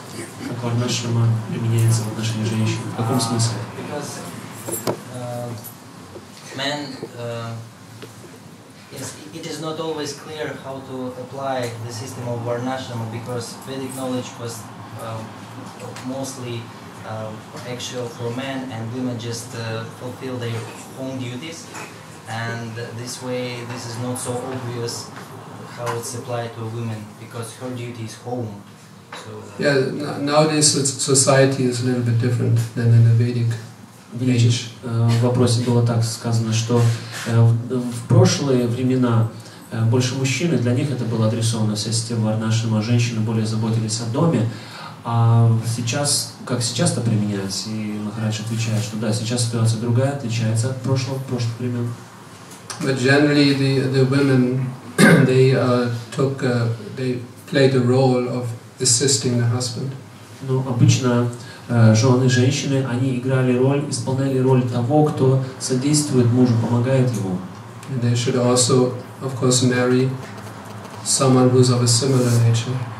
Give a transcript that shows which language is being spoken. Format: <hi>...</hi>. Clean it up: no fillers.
<ru>Как в нашем применяется в отношении женщин? В каком смысле?</ru> <en>Because men, it is not always clear how to apply the system of Varnashrama because Vedic knowledge was mostly actual for men and women just fulfill their own duties, and this way this is not so obvious how it's applied to women because her duty is home. So yeah, nowadays society is a little bit different than in the Vedic.</en> <ru>Видите, в вопросе было так сказано, что в прошлые времена больше мужчины, для них это было адресовано вся система варнашрама, женщины более заботились о доме. А сейчас, как сейчас-то применяется, и Махарадж отвечает, что да, сейчас ситуация другая, отличается от прошлых времен.</ru> <en>But generally the women, they took, they played the role of assisting the husband.</en> <ru>Ну, обычно жены, женщины, они играли роль, исполняли роль того, кто содействует мужу, помогает ему.</ru> <en>And they should also, of course, marry someone who's of a similar nature.</en>